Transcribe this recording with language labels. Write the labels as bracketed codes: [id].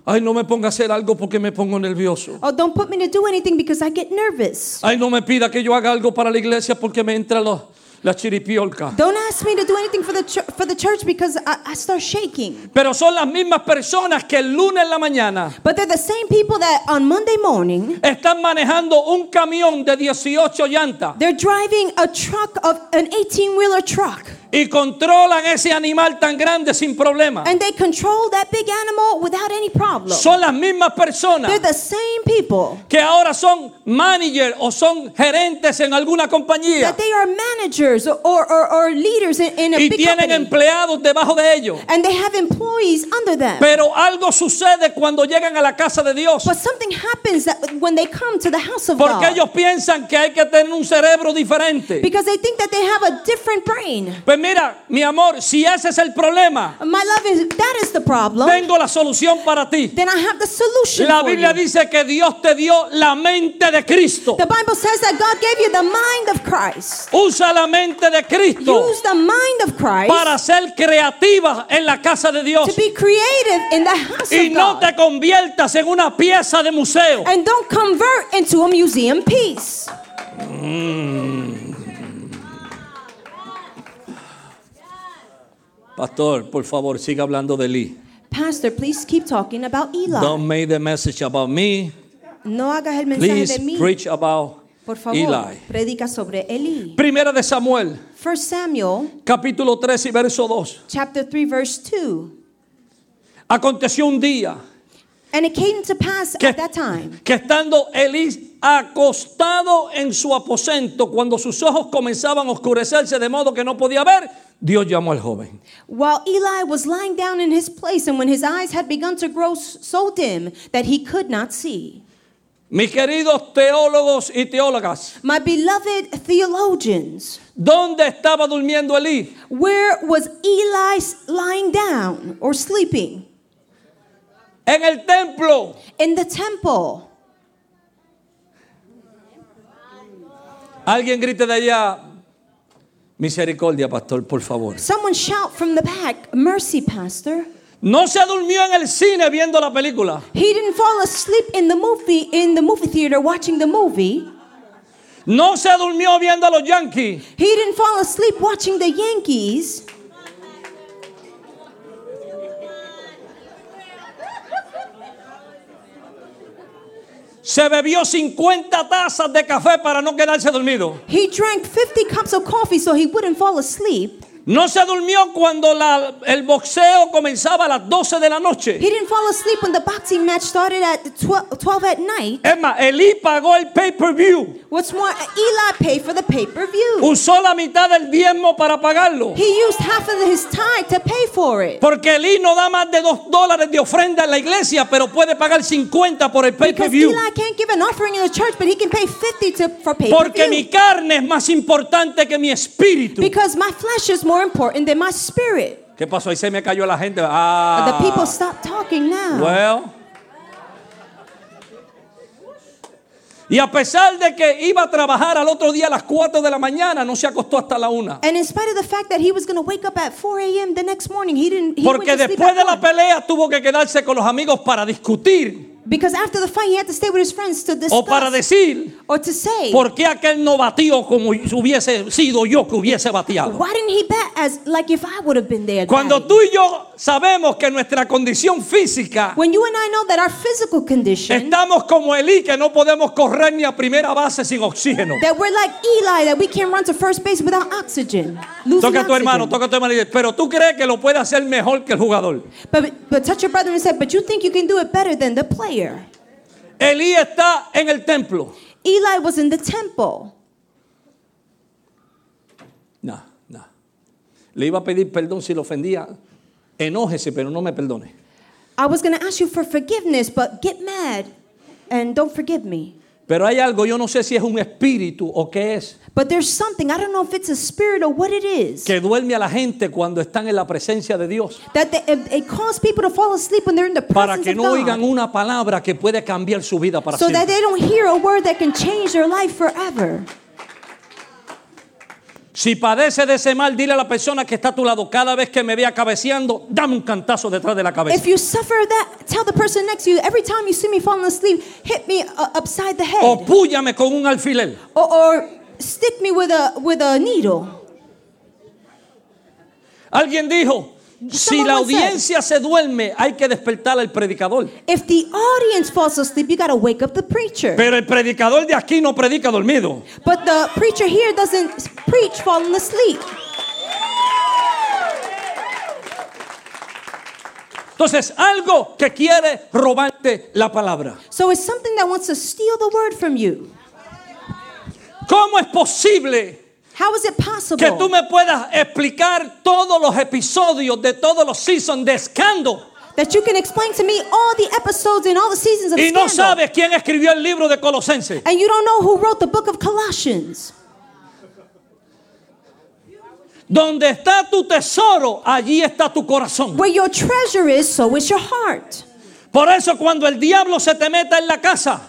[es] Ay, no me ponga a hacer algo porque me pongo nervioso. [en] Oh, don't put me to do anything because I get nervous. [es] Ay, no me pida que yo haga algo para la iglesia porque me entra los la chiripiolca. [en] Don't ask me to do anything for the church because I start shaking. [es] Pero son las mismas personas que el lunes en la mañana. [en] But they're the same people that on Monday morning. [es] Están manejando un camión de 18 llantas. [en] They're driving a truck of an 18-wheeler truck. [es] y controlan ese animal tan grande sin problema. [en] And they control that big animal without any problem. [es] Son las mismas personas. [en] They're the same people. [es] Que ahora son manager o son gerentes en alguna compañía. [en] That they are managers or leaders in a big company. [es] Y tienen empleados debajo de ellos. [en] And they have employees under them. [es] Pero algo sucede cuando llegan a la casa de Dios. [en] But something happens that when they come to the house of [es] Porque [en] God. [es] Ellos piensan que hay que tener un cerebro diferente. [en] Because they think that they have a different brain. [es] Pues mira, mi amor, si ese es el problema, [en] my love, if that is the problem, [es] tengo la solución para ti. [en] Then I have the solution. [es] La Biblia [en] for you. [es] Dice que Dios te dio la mente de Cristo. [en] The Bible says that God gave you the mind of Christ. [es] Usa la mente de Cristo. [en] Use the mind of Christ. [es] Para ser creativa en la casa de Dios. [en] To be creative in the house of God. [es] Y no te conviertas en una pieza de museo. [en] And don't convert into a museum piece. [es] Pastor, por favor, siga hablando de Lee. [en] Pastor, please keep talking about Eli. Don't make the message about me. [es] No hagas el mensaje [en] please [es] de mí. [en] Please preach about [es] por favor, [en] Eli. [es] Predica sobre Eli. Primera de Samuel. [en] First Samuel. [es] Capítulo 3 y verso 2. [en] Chapter 3, verse 2. [es] Aconteció un día. [en] And it came to pass [es] que, [en] at that time. [es] Que estando Eli acostado en su aposento, cuando sus ojos comenzaban a oscurecerse de modo que no podía ver, Dios llamó al joven. [en] While Eli was lying down in his place and when his eyes had begun to grow so dim that he could not see. [es] Mis queridos teólogos y teólogas. [en] My beloved theologians. [es] ¿Dónde estaba durmiendo Eli? [en] Where was Eli lying down or sleeping? [es] En el templo. [en] In the temple. [es] Alguien grite de allá. Misericordia, pastor, por favor. [en] Someone shout from the back, mercy, pastor. [es] No se durmió en el cine viendo la película. [en] He didn't fall asleep in the movie theater watching the movie. [es] No se durmió viendo a los Yankees. [en] He didn't fall asleep watching the Yankees. [es] Se bebió 50 tazas de café para no quedarse dormido. [en] He drank 50 cups of coffee so he wouldn't fall asleep. [es] No se durmió cuando el boxeo comenzaba a las 12 de la noche. [en] He didn't fall asleep when the boxing match started at 12 at night. [es] Emma, Eli pagó el pay-per-view. [en] What's more, Eli paid for the pay-per-view. [es] Usó la mitad del diezmo para pagarlo. [en] He used half of his tithe to pay for it. [es] Porque Eli no da más de $2 de ofrenda en la iglesia, pero puede pagar 50 por el pay-per-view. [en] Because Eli can't give an offering in the church, but he can pay 50 for pay-per-view. [es] Porque mi carne es más importante que mi espíritu. [en] Because my flesh is more important than my spirit. [es] ¿Qué pasó? Ahí se me cayó la gente. [en] The people stopped talking now. Well. [es] Y a pesar de que iba a trabajar al otro día a las 4 de la mañana, no se acostó hasta la 1. [en] And in spite of the fact that he was going to wake up at 4 a.m. the next morning, [es] Porque después de la pelea tuvo que quedarse con los amigos para discutir. [en] Because after the fight he had to stay with his friends to discuss. [es] O para decir, [en] or to say. [es] ¿Por qué aquel no batió como hubiese sido yo que hubiese bateado? [en] Why didn't he bat as like if I would have been there? [es] Cuando tú y yo sabemos que nuestra condición física. [en] When you and I know that our physical condition. [es] Estamos como Eli que no podemos correr ni a primera base sin oxígeno. [en] That we're like Eli that we can't run to first base without oxygen. [es] Toca a tu hermano, toca a tu hermano. Pero tú crees que lo puede hacer mejor que el jugador. [en] But touch your brother and say, but you think you can do it better than the player. [es] Eli está en el templo. [en] Eli was in the temple. [es] No. Le iba a pedir perdón si lo ofendía. Enójese, pero no me perdone. [en] I was going to ask you for forgiveness, but get mad and don't forgive me. [es] Pero hay algo, yo no sé si es un espíritu o qué es. [en] But there's something, I don't know if it's a spirit or what it is. [es] Que duerme a la gente cuando están en la presencia de Dios. [en] That it causes people to fall asleep when they're in the presence of God. [es] Para que no oigan una palabra que puede cambiar su vida para siempre. [en] So that they don't hear a word that can change their life forever. [es] Si padece de ese mal, dile a la persona que está a tu lado, cada vez que me vea cabeceando, dame un cantazo detrás de la cabeza. [en] If you suffer that, tell the person next to you, every time you see me falling asleep, hit me upside the head. [es] O púllame con un alfiler. [en] Or stick me with a needle. [es] Alguien dijo, si la audiencia se duerme, hay que despertar al predicador. [en] If the audience falls asleep, you got to wake up the preacher. [es] Pero el predicador de aquí no predica dormido. [en] But the preacher here doesn't preach falling asleep. [es] Entonces, algo que quiere robarte la palabra. [en] So it's something that wants to steal the word from you. [es] ¿Cómo es posible? [en] How is it possible? [es] Que tú me puedas explicar todos los episodios de todos los seasons de escándalo. [en] That you can explain to me all the episodes and all the seasons of [es] scandal. Y no sabes quién escribió el libro de Colosenses. [en] And you don't know who wrote the book of Colossians. [es] Donde está tu tesoro, allí está tu corazón. [en] Where your treasure is, so is your heart. [es] Por eso cuando el diablo se te meta en la casa.